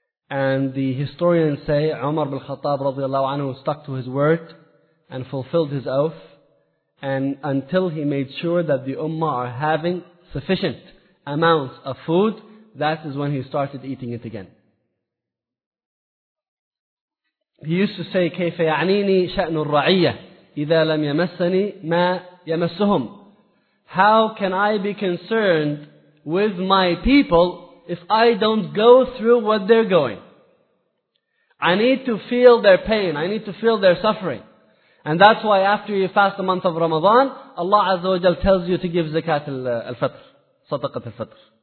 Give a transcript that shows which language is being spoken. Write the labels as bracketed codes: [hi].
[en] And the historians say Umar ibn Khattab radiallahu anhu stuck to his word and fulfilled his oath, and until he made sure that the ummah are having sufficient amounts of food, that is when he started eating it again. He used to say, [ar] كَيْفَ يَعْنِينِي شَأْنُ الرَّعِيَّةِ إِذَا لَمْ يَمَسَّنِي مَا يَمَسُّهُمْ. [en] How can I be concerned with my people if I don't go through what they're going? I need to feel their pain, I need to feel their suffering. And that's why after you fast the month of Ramadan, Allah Azza wa Jal tells you to give zakat al-fitr. Sadaqat al-fitr.